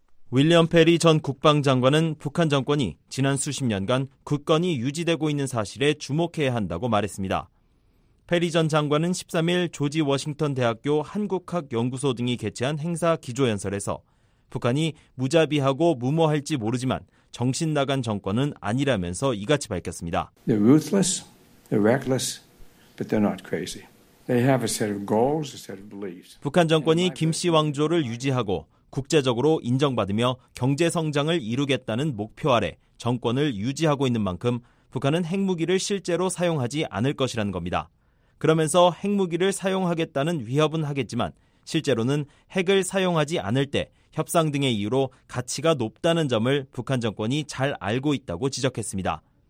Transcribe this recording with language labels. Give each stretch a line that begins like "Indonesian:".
Korean: 윌리엄 페리 전 국방장관은 북한 정권이 지난 수십 년간 굳건히 유지되고 있는 사실에 주목해야 한다고 말했습니다. 페리 전 장관은 13일 조지 워싱턴 대학교 한국학연구소 등이 개최한 행사 기조연설에서 북한이 무자비하고 무모할지 모르지만 정신 나간 정권은 아니라면서 이같이 밝혔습니다.
English: They're ruthless, they're reckless, but they're not crazy. They have a set of goals, a set of beliefs.
Korean: 북한 정권이 김씨 왕조를 유지하고 국제적으로 인정받으며 경제 성장을 이루겠다는 목표 아래 정권을 유지하고 있는 만큼 북한은 핵무기를 실제로 사용하지 않을 것이라는 겁니다. 그러면서 핵무기를 사용하겠다는 위협은 하겠지만 실제로는 핵을 사용하지 않을 때 협상 등의 이유로 가치가 높다는 점을 북한 정권이 잘 알고 있다고 지적했습니다.